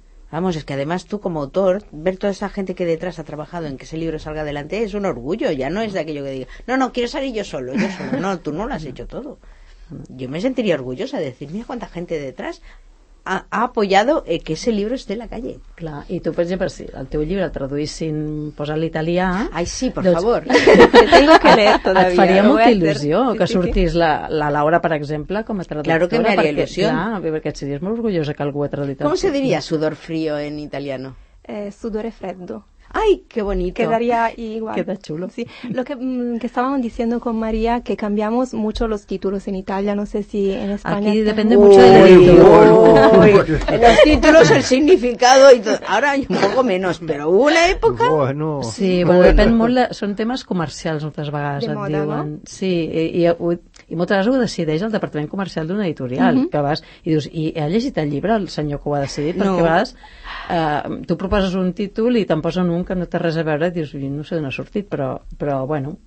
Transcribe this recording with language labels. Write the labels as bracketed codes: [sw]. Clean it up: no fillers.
[es] Vamos, es que además tú como autor, ver toda esa gente que detrás ha trabajado en que ese libro salga adelante es un orgullo, ya no es de aquello que diga, no, quiero salir yo solo, no, tú no lo has hecho todo. Yo me sentiría orgullosa de decir, mira cuánta gente detrás ha apoyado que ese libro esté en la calle. [ca] Clar, i tu, per exemple, si el teu llibre el traduïssin, posar l'italià... [es] Ai, sí, por doncs, favor. Tengo que leer todavía. [ca] Et faria molta il·lusió que sortís la Laura, per exemple, com a traductora. [es] Claro que me haría ilusión. [ca] Perquè et series molt orgullosa que algú ha traduït. [es] ¿Cómo se diría sudor frío en italiano? [it] Sudore freddo. [es] ¡Ay, qué bonito! Quedaría igual. Queda chulo. Sí, lo que estábamos diciendo con María, que cambiamos mucho los títulos en Italia, no sé si en España... Aquí depende mucho del editor. Los títulos, el significado y todo. Ahora hay un poco menos, pero hubo una época... Bueno. [ca] Sí, són temes comercials, moltes vegades de et moda, diuen. No? Sí, i moltes vegades ho decideix el departament comercial d'una editorial, que vas i dius, i ha llegit el llibre el senyor que ho ha decidit, perquè a vegades tu proposes un títol i te'n posen un que no té res a veure, dius, no sé d'on ha sortit, però bueno.